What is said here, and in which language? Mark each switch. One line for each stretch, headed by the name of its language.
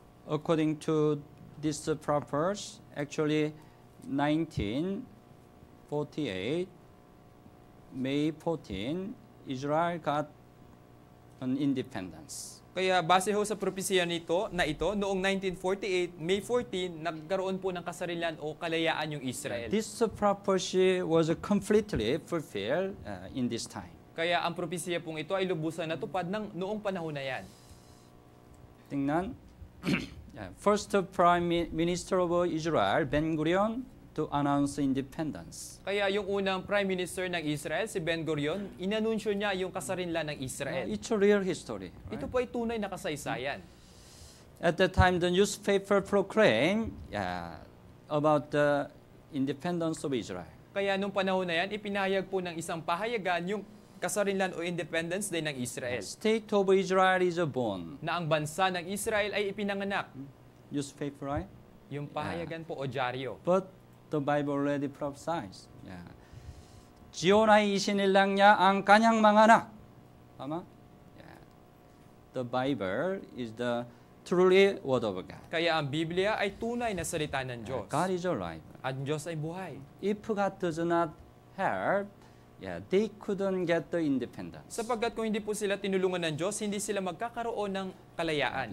English: According to this prophecy, actually 1948, May 14, Israel got an independence.
Filipino: Kaya base ho sa propesiya nito na ito, noong 1948, May 14, nagkaroon po ng kasarilan o kalayaan yung Israel.
English: This prophecy was completely fulfilled in this time.
Filipino: Kaya ang propesiya pong ito ay lubusan natupad ng noong panahon na yan. Tingnan.
English: First Prime Minister of Israel, Ben Gurion, to announce independence.
Filipino: Kaya yung unang Prime Minister ng Israel, si Ben Gurion, inanunsyo niya yung kasarinlan ng Israel.
English: It's a real history. Right?
Filipino: Ito po ay tunay na kasaysayan.
English: At the time, the newspaper proclaimed about the independence of Israel.
Filipino: Kaya nung panahon na yan, ipinahayag po ng isang pahayagan yung kasarinlan o independence din ng Israel.
English: The state of Israel is a bone.
Filipino: Na ang bansa ng Israel ay ipinanganak.
English: Newspaper, right?
Filipino: Yung pahayagan po o dyaryo.
English: But the Bible already prophesies.
Filipino: Zion ay isinilang niya ang kanyang mga anak. Tama?
English: The Bible is the truly Word of God.
Filipino: Kaya ang Biblia ay tunay na salita ng Diyos.
English: God is alive.
Filipino: At Diyos ay buhay.
English: If God does not help, they couldn't get the independence.
Filipino: Sapagkat kung hindi po sila tinulungan ng Diyos, hindi sila magkakaroon ng kalayaan.